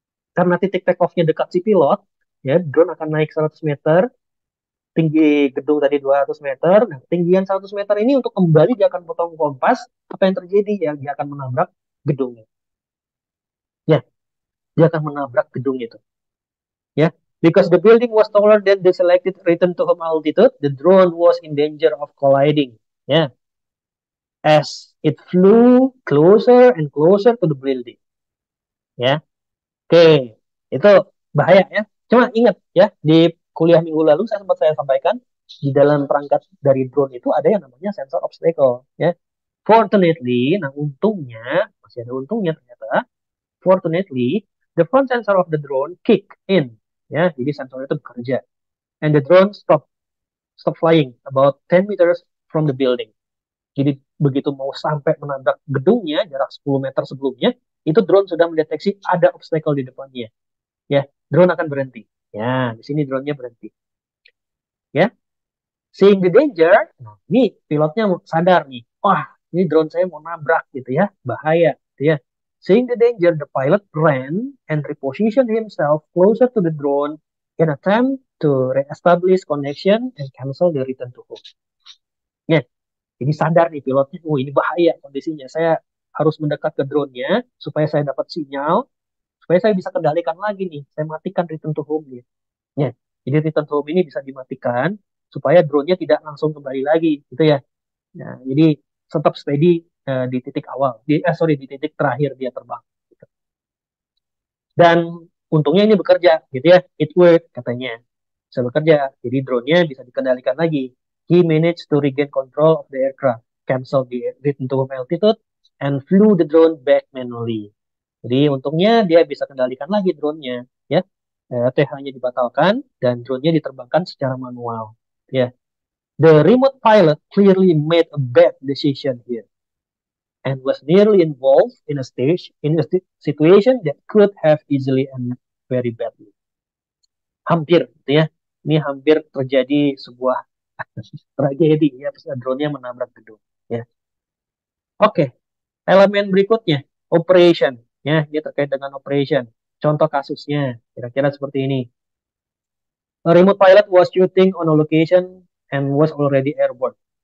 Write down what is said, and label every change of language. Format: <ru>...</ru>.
<id>Karena titik take off-nya dekat si pilot, ya, drone akan naik 100 meter. Tinggi gedung tadi 200 meter. Nah, ketinggian 100 meter ini untuk kembali dia akan potong kompas. Apa yang terjadi? Ya, dia akan menabrak gedungnya. Ya, dia akan menabrak gedung itu. Ya,</id> <en>Because the building was taller than the selected return to home altitude, the drone was in danger of colliding. Yeah. As it flew closer and closer to the building.</en> <id>Ya. Yeah. Oke, itu bahaya ya. Cuma ingat ya, di kuliah minggu lalu saya sempat saya sampaikan di dalam perangkat dari drone itu ada yang namanya sensor obstacle, ya.</id> <en>Fortunately,</en> <id>nah untungnya, masih ada untungnya ternyata.</id> <en>Fortunately, the front sensor of the drone kick in, ya.</en> <id>Jadi sensor itu bekerja.</id> <en>And the drone stop flying about 10 meters from the building.</en> <id>Jadi begitu mau sampai menabrak gedungnya jarak 10 meter sebelumnya, itu drone sudah mendeteksi ada obstacle di depannya. Ya, drone akan berhenti. Ya, di sini drone-nya berhenti. Ya.</id> <en>Seeing the danger,</en> <id>nah, ini pilotnya sadar nih. Wah, ini drone saya mau nabrak gitu ya. Bahaya gitu ya.</id> <en>Seeing the danger, the pilot ran and repositioned himself closer to the drone in attempt to reestablish connection and cancel the return to home.</en> <id>Ya. Ini sadar nih pilotnya. Oh, ini bahaya kondisinya. Saya harus mendekat ke drone-nya supaya saya dapat sinyal, supaya saya bisa kendalikan lagi nih, saya matikan return to home-nya. Ya, jadi return to home ini bisa dimatikan supaya drone-nya tidak langsung kembali lagi, gitu ya. Nah, jadi tetap steady di titik awal, di titik terakhir dia terbang. Gitu. Dan untungnya ini bekerja, gitu ya.</id> <en>It worked,</en> <id>katanya. Saya bekerja, jadi drone-nya bisa dikendalikan lagi.</id> <en>He managed to regain control of the aircraft, cancel the return to home altitude, and flew the drone back manually.</en> <id>Jadi untungnya dia bisa kendalikan lagi drone-nya, ya. TH-nya dibatalkan dan drone-nya diterbangkan secara manual, ya.</id> <en>The remote pilot clearly made a bad decision here and was nearly involved in a stage in a situation that could have easily and very badly.</en> <id>Hampir, gitu ya. Ini hampir terjadi sebuah tragedi, ya, drone-nya menabrak gedung, ya. Oke. Okay. Elemen berikutnya, operation. Ya, ini terkait dengan operation. Contoh kasusnya, kira-kira seperti ini.</id> <en>A remote pilot was shooting on a location and was already airborne.</en>